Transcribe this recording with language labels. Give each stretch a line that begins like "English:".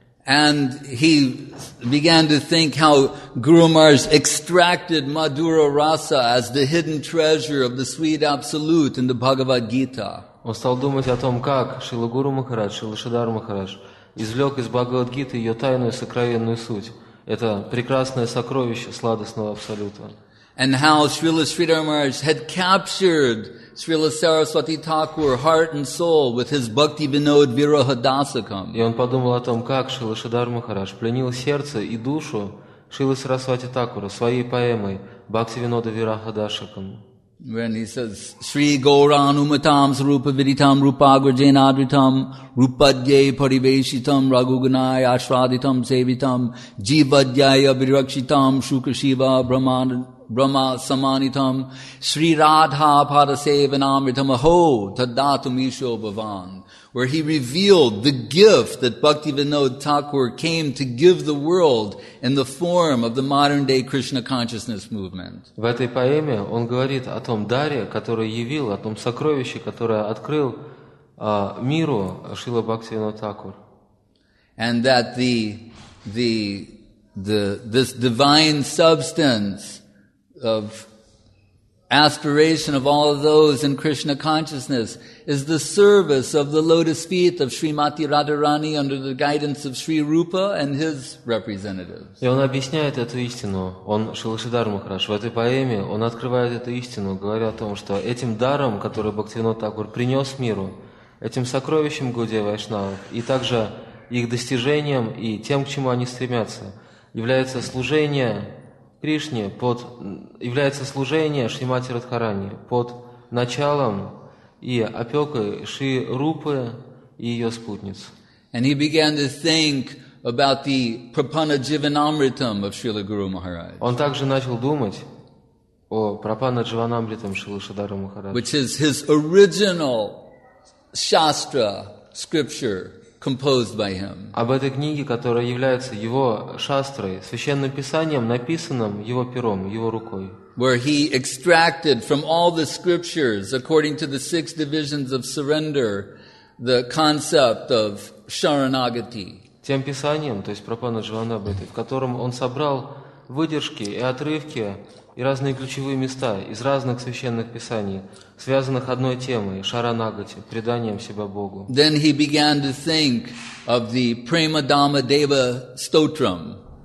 English: And he began to think how Guru Maharaj extracted Madhura Rasa as the hidden treasure of the sweet absolute in the Bhagavad Gita.
Russian: Он стал думать о том, как Шрила Гуру Махарадж, Шрила Шридхар Махарадж извлек из Бхагавад Гиты ее тайную сокровенную суть. Это прекрасное сокровище сладостного абсолюта.
English: And how Srila Sridhar Maharaj had captured Srila Saraswati Thakur, heart and soul, with his bhakti vinod viraha dasakam.
Russian: И он подумал о том, как Шрила Шридхар Махарадж пленил сердце и душу Шрилы Сарасвати Такура своей поэмой бхакти винода вираха дасакам.
English: When he says,
Sanskrit: Sri Gauranga Umatam Sarupa Viditam Rupagrajena Adritam Rupadye Pariveshitam Ragugunai Ashraditam Sevitam Jivadyaya Virakshitam Shukrashiva Brahma Samanitam Sri Radha Padaseva Namritam Aho Tadatumisho Bhavan.
English: Where he revealed the gift that Bhaktivinod Thakur came to give the world in the form of the modern-day Krishna consciousness movement.
Russian: В этой поэме он говорит о том даре, который явил, о том сокровище, которое открыл миру Шрила Бхактивинод Тхакур.
English: And that this divine substance of aspiration of all of those in Krishna consciousness is the service of the lotus feet of Srimati Radharani under the guidance of Sri Rupa and his representatives.
Russian: И он объясняет эту истину. Он Шрила Шридхар Махарадж в этой поэме он открывает эту истину, говоря о том, что этим даром, который Бхактивинод Тхакур принес миру, этим сокровищем Гаудия Вайшнава и также их достижением и тем, к чему они стремятся, является служение Кришне под является служение Шримати Радхарани под началом и опекой Шри Рупы и ее спутниц.
English: And he began to think about the Prapana Jivanamritam of Srila Guru Maharaj.
Russian: Он также начал думать о Прапана Дживанамритам Шрилы Шадара Махараджа,
English: which is his original shastra scripture composed by him.
Russian: Об этой книге, которая является его шастрой, священным писанием, написанным его пером, его рукой.
English: Where he extracted from all the scriptures according to the six divisions of surrender the concept of sharanagati.
Russian: Тем писанием, то есть Прапана Дживанамриты, в котором он собрал выдержки и отрывки и разные ключевые места из разных священных писаний, связанных одной темой, шаранагати, преданием себя Богу.
English: Then he began to think of the Prema Dhamma Deva Stotram.